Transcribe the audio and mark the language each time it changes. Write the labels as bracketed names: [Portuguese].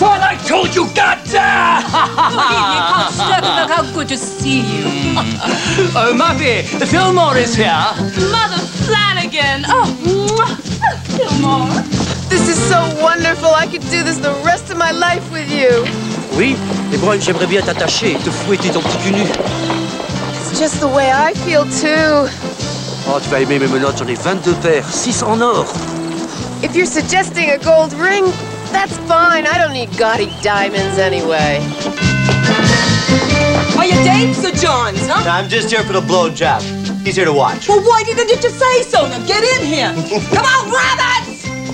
[English] Fine, I told you, goddamn! Good evening, Constable. How good to see you. Oh, Muffy, the Fillmore is here. Mother Flanagan. Oh, Fillmore. This is so wonderful. I could do this the rest of my life with you. [French] Oui, mais bon, j'aimerais bien t'attacher et te fouetter ton petit cul nu. [English] It's just the way I feel, too. [French] Oh, tu vas aimer mes menottes, j'en ai 22 paires, 6 en or. [English] If you're suggesting a gold ring, that's fine. I don't need gaudy diamonds anyway. Are you Dave's or John's, huh? No, I'm just here for the blow job. He's here to watch. Well, why didn't you say so? Now get in here. Come on, rabbits!